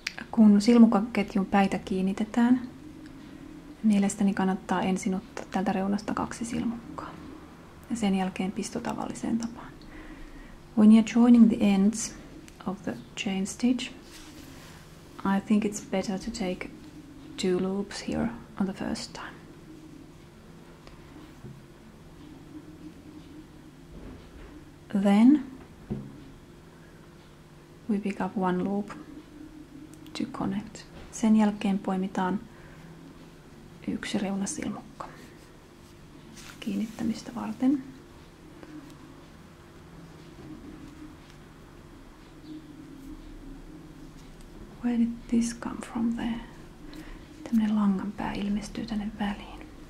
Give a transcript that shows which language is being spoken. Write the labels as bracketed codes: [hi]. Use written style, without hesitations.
[fi] Kun silmukaketjun päitä kiinnitetään, mielestäni kannattaa ensin ottaa tältä reunasta kaksi silmukkaa. Ja sen jälkeen pisto tavalliseen tapaan. [en] When you're joining the ends of the chain stitch, I think it's better to take two loops here on the first time. Then we pick up one loop to connect. [fi] Sen jälkeen poimitaan yksi reunasilmukka kiinnittämistä varten. [en] Where did this come from there? [fi] Tämmönen langanpää ilmestyy tänne väliin.